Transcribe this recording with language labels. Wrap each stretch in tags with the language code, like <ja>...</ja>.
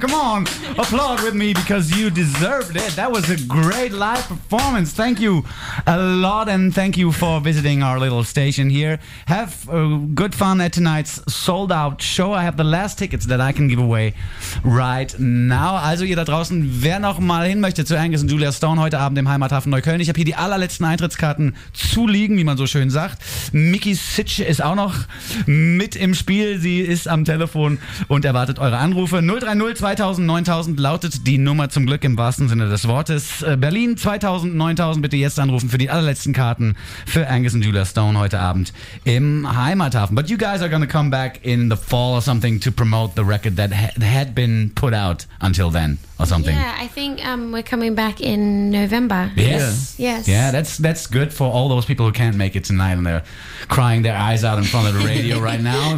<en>Come on, applaud with me because you deserved it. That was a great live performance. Thank you a lot, and thank you for visiting our little station here. Have good fun at tonight's sold-out show. I have the last tickets that I can give away right now.</en> <de>Also ihr da draußen, wer noch mal hin möchte zu Angus und Julia Stone heute Abend im Heimathafen Neukölln. Ich habe hier die allerletzten Eintrittskarten zu liegen, wie man so schön sagt. Mickey Sitsch ist auch noch mit im Spiel. Sie ist am Telefon und erwartet eure Anrufe. 030 2000 9000 lautet die Nummer, zum Glück im wahrsten Sinne des Wortes. Berlin 2000 9000, bitte jetzt anrufen für die allerletzten Karten für Angus und Julia Stone heute Abend im Heimathafen.</de> <en>But you guys are gonna come back in the fall or something to promote the record that had been put out until then or something. Yeah, I think we're coming back in November. Yes. Yeah, that's good for all those people who can't make it tonight and they're crying their eyes out in front of the radio right now.</en>